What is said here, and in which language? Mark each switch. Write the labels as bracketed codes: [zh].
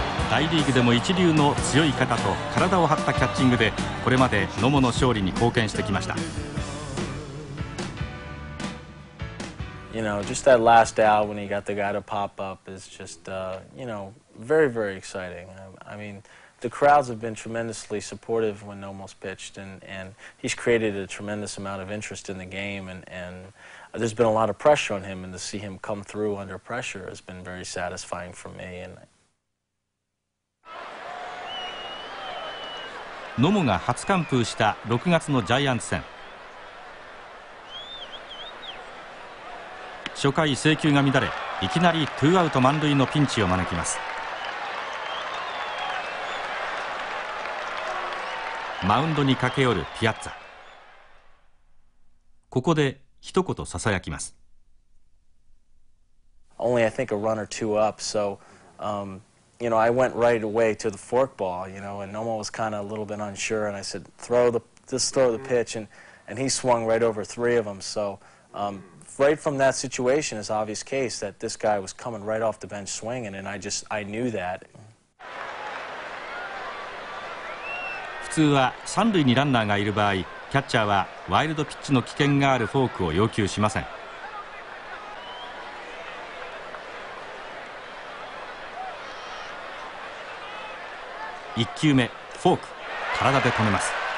[ja] 大リーグでも一流の強い肩と体を張ったキャッチングでこれまで野茂の勝利に貢献してきました。 [en] You know, just that last out when he got the guy to pop up is just, you know, very, very exciting. I mean, the crowds have been tremendously supportive when Nomo's pitched, and he's created a tremendous amount of interest in the game, and there's been a lot of pressure on him, and to see him come through under pressure has been very satisfying for me. And [ja] Nomo が初完封した6月のジャイアンツ戦。初回制球が乱れ、いきなり2アウト満塁のピンチを招きます。マウンドに駆け寄るピアッツァ、ここで一言ささやきます。 [en] Only I think a run or two up, so you know, I went right away to the forkball, you know, and Nomo was kind of a little bit unsure, and I said, throw the pitch, and he swung right over three of them, so right from that situation is obvious case that this guy was coming right off the bench swinging, and I knew that. [ja] 普通は三塁にランナーがいる場合、キャッチャーはワイルドピッチの危険があるフォークを要求しません。一球目フォーク、体で止めます。